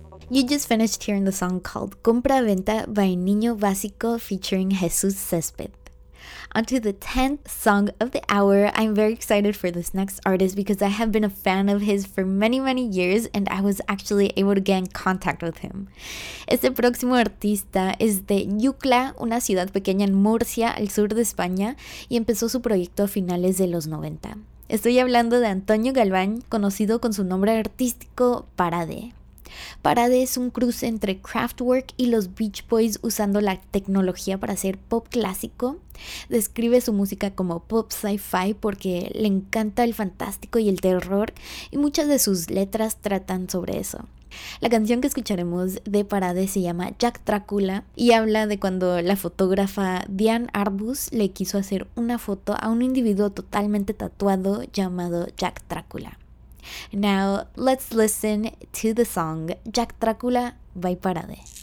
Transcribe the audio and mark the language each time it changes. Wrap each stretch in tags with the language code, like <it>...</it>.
<en>You just finished hearing the song called Compra-venta by Niño, Básico featuring Jesús, Césped. On to the 10th song of the hour. I'm very excited for this next artist because I have been a fan of his for many, many years and I was actually able to get in contact with him.</en> <es>Este próximo artista es de Yucla, una ciudad pequeña en Murcia, al sur de España, y empezó su proyecto a finales de los 90. Estoy hablando de Antonio Galván, conocido con su nombre artístico Parade. Parade es un cruce entre Kraftwerk y los Beach Boys usando la tecnología para hacer pop clásico. Describe su música como pop sci-fi porque le encanta el fantástico y el terror y muchas de sus letras tratan sobre eso. La canción que escucharemos de Parade se llama Jack Dracula y habla de cuando la fotógrafa Diane Arbus le quiso hacer una foto a un individuo totalmente tatuado llamado Jack Dracula.</es> <en>Now, let's listen to the song Jack Dracula by Parade.</en>